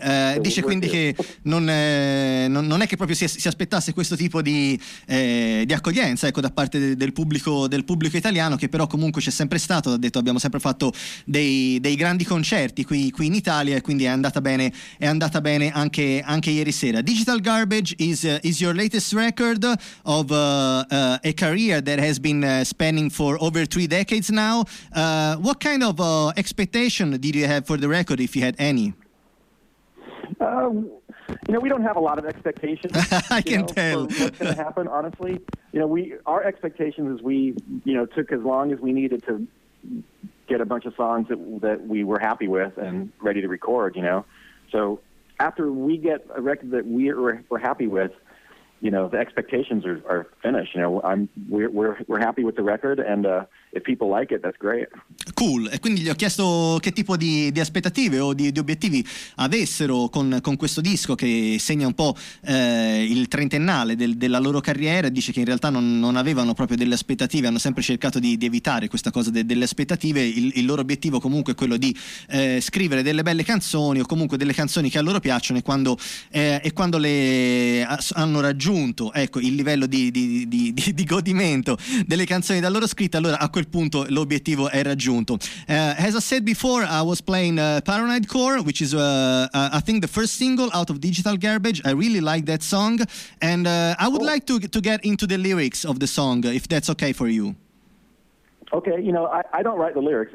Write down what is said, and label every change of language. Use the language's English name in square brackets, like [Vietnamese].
[Italian] Dice quindi che non è che proprio si aspettasse questo tipo di accoglienza, ecco, da parte del pubblico italiano, che però comunque c'è sempre stato. Ha detto: abbiamo sempre fatto dei grandi concerti qui in Italia, e quindi è andata bene anche ieri sera. [English] Digital Garbage is your latest record of a career that has been spanning for over 3 decades now. What kind of expectation did you have for the record, if you had any? We don't have a lot of expectations. I can tell. For what's going to happen, honestly. You know, our expectations is we took as long as we needed to get a bunch of songs that we were happy with and ready to record, So after we get a record that we're happy with, you know, the expectations are finished. You know, we're happy with the record, and if people like it, that's great. Cool. [Italian] E quindi gli ho chiesto che tipo di aspettative o di obiettivi avessero con questo disco che segna un po' il trentennale della loro carriera. Dice che in realtà non avevano proprio delle aspettative, hanno sempre cercato di evitare questa cosa delle aspettative. Il loro obiettivo comunque è quello di scrivere delle belle canzoni, o comunque delle canzoni che a loro piacciono, e quando le hanno raggiunto, ecco, il livello di godimento delle canzoni da loro scritte, allora a quel punto l'obiettivo è raggiunto. [English] As I said before, I was playing Paranoid Core, which is I think the first single out of Digital Garbage. I really like that song, and I would like to get into the lyrics of the song, if that's okay for you. Okay, you know, I don't write the lyrics.